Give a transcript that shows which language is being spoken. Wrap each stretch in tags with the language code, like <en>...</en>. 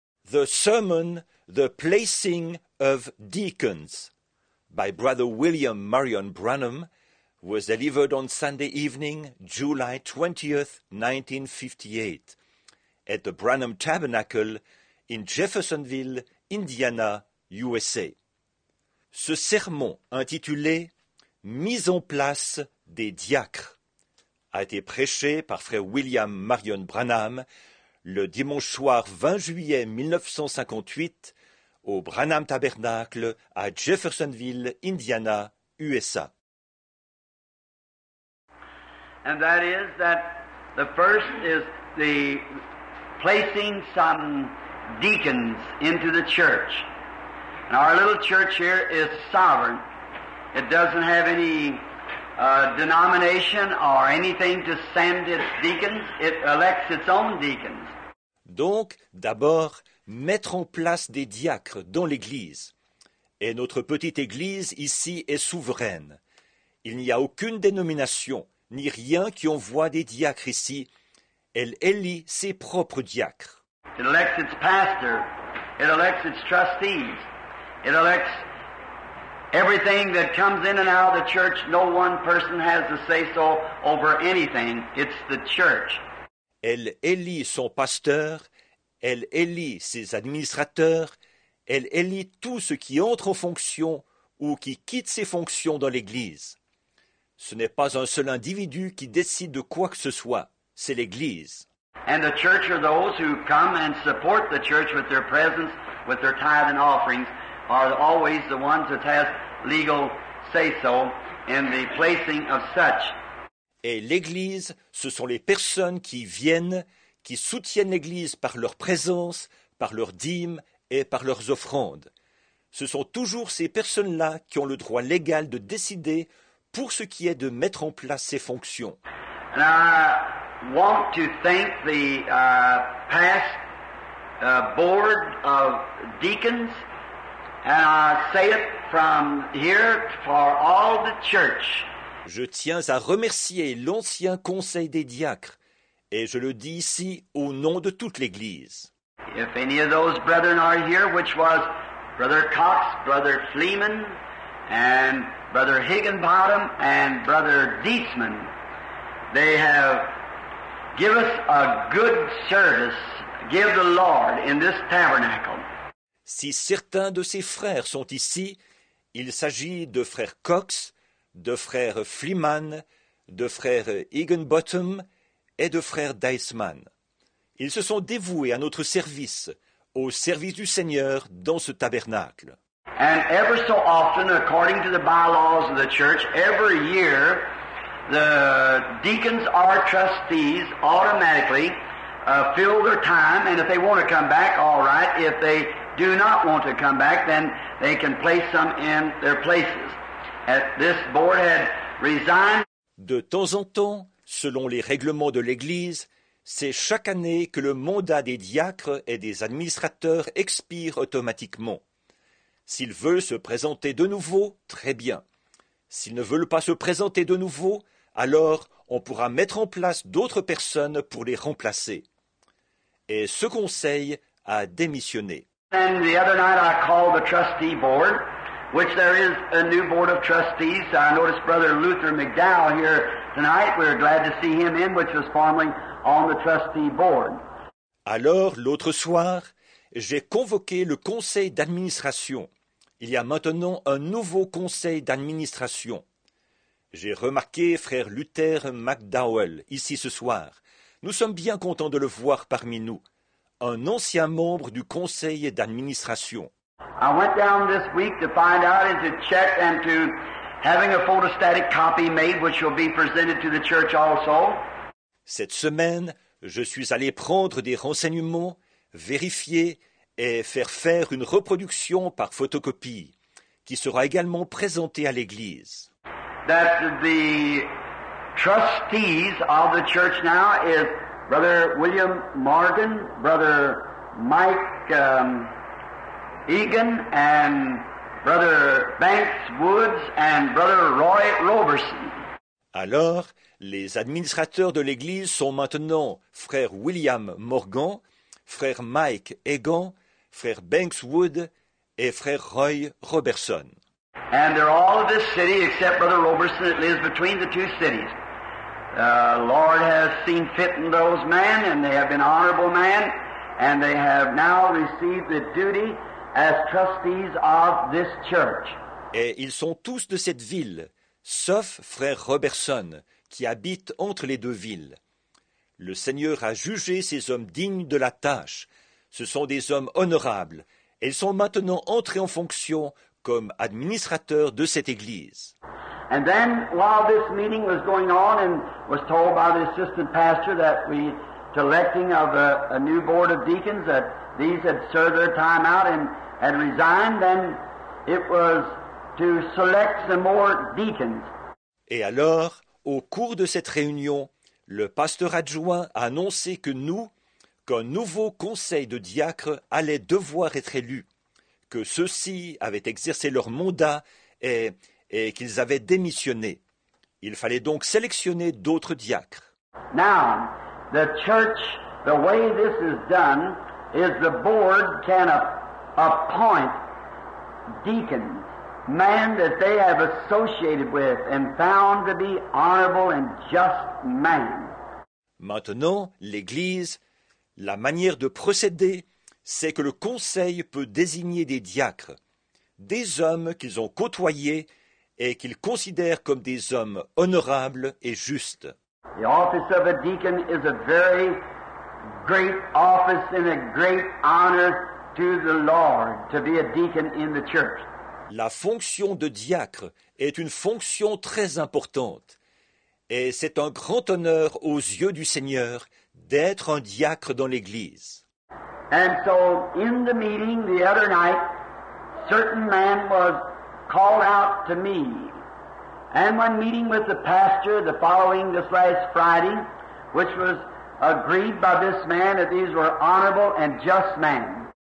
<en>The Sermon, The Placing of Deacons, by Brother William Marion Branham, was delivered on Sunday evening, July 20th, 1958, at the Branham Tabernacle in Jeffersonville, Indiana, USA.</en> <fr>Ce sermon, intitulé « Mise en place des diacres », a été prêché par Frère William Marion Branham le dimanche soir 20 juillet 1958 au Branham Tabernacle à Jeffersonville, Indiana, USA.</fr> <en>And that is that the first is the placing some deacons into the church. And our little church here is sovereign. It doesn't have any denomination or anything to send its deacons. It elects its own deacons.</en> <fr>Donc, d'abord, mettre en place des diacres dans l'Église. Et notre petite Église ici est souveraine. Il n'y a aucune dénomination, ni rien qui envoie des diacres ici. Elle élit ses propres diacres.</fr> <en>It elects its pastor. It elects its trustees. It elects everything that comes in and out of the church. No one person has a say-so over anything. It's the church.</en> <fr>Elle élit son pasteur, elle élit ses administrateurs, elle élit tout ce qui entre en fonction ou qui quitte ses fonctions dans l'Église. Ce n'est pas un seul individu qui décide de quoi que ce soit, c'est l'Église.</fr> <en>And the church are those who come and support the church with their presence, with their tithe and offerings, are always the ones that have legal say-so in the placing of such.</en> <fr>Et l'Église, ce sont les personnes qui viennent, qui soutiennent l'Église par leur présence, par leurs dîmes et par leurs offrandes. Ce sont toujours ces personnes-là qui ont le droit légal de décider pour ce qui est de mettre en place ces fonctions.</fr> <en>And I want to thank the past board of deacons, and I say it from here for all the church.</en> <fr>Je tiens à remercier l'ancien conseil des diacres, et je le dis ici au nom de toute l'Église.</fr> <en>If any of those brethren are here, which was Brother Cox, Brother Fleeman, and Brother Higginbottom, and Brother Dietzman, they have given us a good service, give the Lord in this tabernacle.</en> <fr>Si certains de ses frères sont ici, il s'agit de Frère Cox, de frère Fleeman, de frère Higginbottom et de frère Deisman. Ils se sont dévoués à notre service, au service du Seigneur dans ce tabernacle.</fr> <en>And ever so often, according to the bylaws of the church, every year, the deacons or trustees automatically fill their time, and if they want to come back, all right. If they do not want to come back, then they can place some in their places. This board had resigned.</en> <fr>De temps en temps, selon les règlements de l'Église, c'est chaque année que le mandat des diacres et des administrateurs expire automatiquement. S'ils veulent se présenter de nouveau, très bien. S'ils ne veulent pas se présenter de nouveau, alors on pourra mettre en place d'autres personnes pour les remplacer. Et ce conseil a démissionné.</fr> <en>And the other night I called the trustee board. Which there is a new board of trustees. I noticed Brother Luther McDowell here tonight. We're glad to see him in, which was formerly on the trustee board.</en> <fr>Alors, l'autre soir, j'ai convoqué le conseil d'administration. Il y a maintenant un nouveau conseil d'administration. J'ai remarqué Frère Luther McDowell ici ce soir. Nous sommes bien contents de le voir parmi nous. Un ancien membre du conseil d'administration.</fr> <en>I went down this week to find out and to check and to having a photostatic copy made which will be presented to the church also.</en> <fr>Cette semaine, je suis allé prendre des renseignements, vérifier et faire une reproduction par photocopie qui sera également présentée à l'Église.</fr> <en>That the trustees of the church now is Brother William Morgan, Brother Mike Egan and Brother Banks Woods and Brother Roy Roberson.</en> <fr>Alors, les administrateurs de l'Église sont maintenant Frère William Morgan, Frère Mike Egan, frère Banks Wood et frère Roy Robertson.</fr> <en>And they're all of this city except Brother Robertson that lives between the two cities. The Lord has seen fit in those men, and they have been honorable men, and they have now received the duty as trustees of this church.</en> <fr>Et ils sont tous de cette ville, sauf frère Robertson, qui habite entre les deux villes. Le Seigneur a jugé ces hommes dignes de la tâche. Ce sont des hommes honorables. Ils sont maintenant entrés en fonction comme administrateurs de cette église.</fr> <en>And then, while this meeting was going on and was told by the assistant pastor that we to electing of a new board of deacons, that these had served their time out and had resigned, then it was to select some more deacons.</en> <fr>Et alors, au cours de cette réunion, le pasteur adjoint a annoncé que nous, qu'un nouveau conseil de diacres allait devoir être élu, que ceux-ci avaient exercé leur mandat et qu'ils avaient démissionné. Il fallait donc sélectionner d'autres diacres.</fr> <en>Now, the church, the way this is done, is the board can appoint deacons, men that they have associated with and found to be honorable and just men.</en> <fr>Maintenant, l'Église, la manière de procéder, c'est que le conseil peut désigner des diacres, des hommes qu'ils ont côtoyés et qu'ils considèrent comme des hommes honorables et justes.</fr> <en>The office of a deacon is a very great office and a great honor to the Lord to be a deacon in the church.</en> <fr>La fonction de diacre est une fonction très importante et c'est un grand honneur aux yeux du Seigneur d'être un diacre dans l'Église.</fr> <en>And so in the meeting the other night, certain man was called out to me. And when meeting with the pastor the following this last Friday, which was agreed by this man that these were honorable and just men.</en>